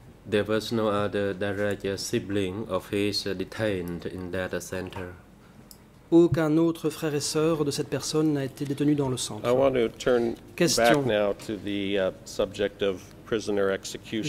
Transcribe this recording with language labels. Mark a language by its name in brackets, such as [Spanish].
[English] There was no other Daraja sibling of his detained in that center. [French] Aucun autre frère et sœur de cette personne n'a été détenu dans le centre. [English] I want to turn [French] question. [English] Back now to the subject of prisoner executions.